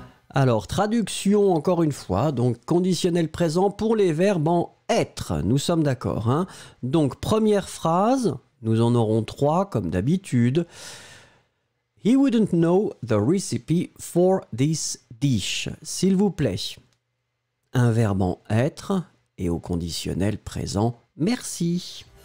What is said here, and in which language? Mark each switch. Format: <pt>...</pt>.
<fr>Alors, traduction encore une fois, donc conditionnel présent pour les verbes en être, nous sommes d'accord. Hein? Donc, première phrase, nous en aurons trois comme d'habitude.</fr> <en>He wouldn't know the recipe for this dish.</en> <fr>S'il vous plaît, un verbe en être et au conditionnel présent, merci.</fr>